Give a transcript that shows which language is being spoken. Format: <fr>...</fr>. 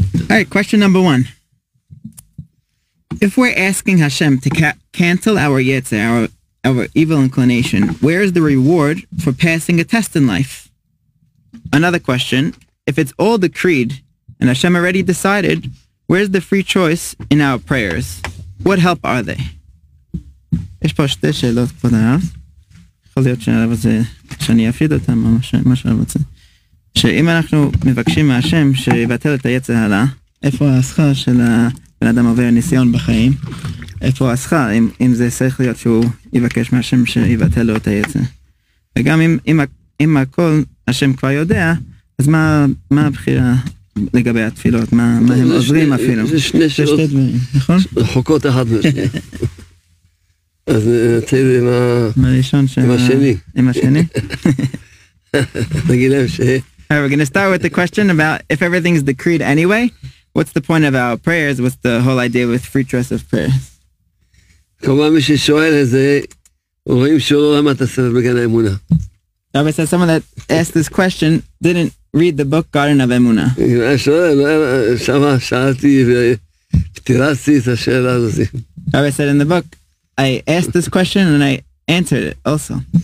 <en>All right, question number one. If we're asking Hashem to cancel our yetzer, our evil inclination, where is the reward for passing a test in life? Another question, if it's all decreed and Hashem already decided, where's the free choice in our prayers? What help are they?</en> <he>יש פה שתי שאלות כבוד הרב. יכול להיות שאני אפיד אותם או מה שאני רוצה. שאם אנחנו מבקשים מהשם שיבטל את היצר הרע, איפה השכר של ה... בן אדם עובר ניסיון בחיים, איפה השכר, אם זה צריך להיות שהוא יבקש מהשם שיבטל לו את היצר. וגם אם הכל השם כבר יודע, אז מה הבחירה לגבי התפילות? מה הם עוזרים אפילו? זה שני שאלות, נכון? רחוקות אחת מהשנייה. אז נתחיל עם השני. עם השני? נגיד להם ש...</he> <en>We're going to start with the question about if everything is decreed anyway. What's the point of our prayers? What's the whole idea with free choice of prayers?</en> <he>כמובן מי ששואל את זה, רואים שהוא לא למד את הספר בגן האמונה.</he> <en>Rabbi says someone that asked this question didn't read the book Garden of Emuna.</en> <he>שמה שאלתי ותירצתי את השאלה הזאת.</he> <en>Rabbi said in the book, I asked this question and I answered it also.</en>